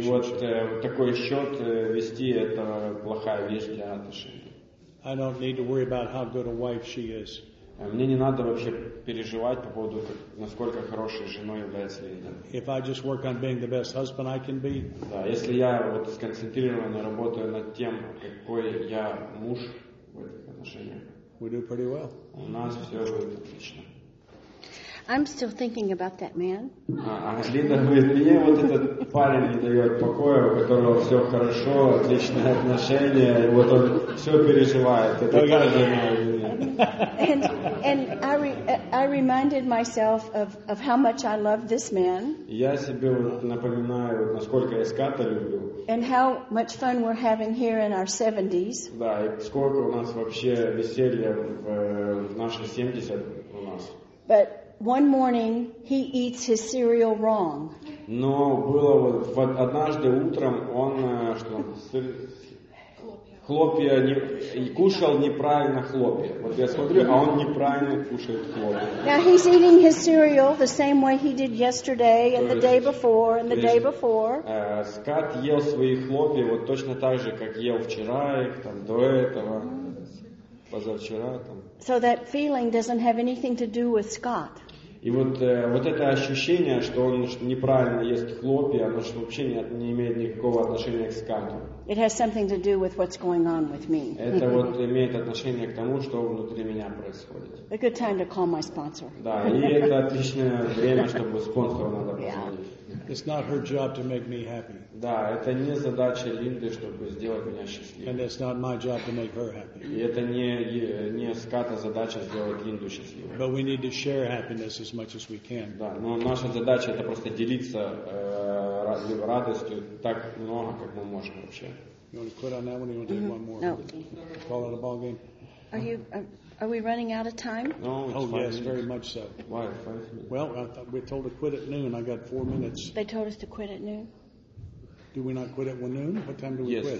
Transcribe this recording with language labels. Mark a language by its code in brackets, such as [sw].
[ru] И вот такой счет вести – это плохая вещь для отношений. [en] I don't need to worry about how good a wife she is. [ru] Мне не надо вообще переживать по поводу, насколько хорошей женой является Линда. [en] If I just work on being the best husband I can be. [ru] Да, если я вот сконцентрированно работаю над тем, какой я муж в этих отношениях. [en] We do pretty well. [ru] У нас все будет отлично. [en] I'm still thinking about that man. [ru] Линда говорит, мне вот этот парень не дает покоя, у которого все хорошо, отличные отношения, и вот он все переживает. Это та же моя жена. [en] And I reminded myself of how much I love this man. [ru] Я себе напоминаю, насколько я Ската люблю. [en] And how much fun we're having here in our 70s. [ru] Да, и сколько у нас вообще веселья в наши 70 у нас. [en] But one morning he eats his cereal wrong. [ru] Но было вот однажды утром он что сыр, хлопья не и кушал неправильно хлопья. Вот я смотрю, а он неправильно кушает хлопья. [en] Now he's eating his cereal the same way he did yesterday and the day before and the day before. [ru] Скат ел свои хлопья вот точно так же, как ел вчера их там до этого. Позавчера там. [en] So that feeling doesn't have anything to do with Scott. [ru] И вот вот это ощущение, что он неправильно ест хлопья, оно же вообще не имеет никакого отношения к Скату. [en] It has something to do with what's going on with me. [ru] Это вот имеет отношение к тому, что внутри меня происходит. [en] A good time to call my sponsor. [ru] Да, и это отличное время, чтобы спонсору надо позвонить. [en] It's not her job to make me happy. [ru] Да, это не задача Линды, чтобы сделать меня счастливым. [en] And it's not my job to make her happy. [ru] И это не Ската задача сделать Линду счастливой. [en] But we need to share happiness as much as we can. [ru] Да, но наша задача это просто делиться радостью так много, как мы можем вообще. [en] You want to quit on that one? You want to take one more? No. Call it a ball game. Are we running out of time? No. Yes, very much so. Why? 5 minutes. Well, I thought we were told to quit at noon. I got 4 minutes. They told us to quit at noon. Do we not quit at noon? What time do we yes, quit?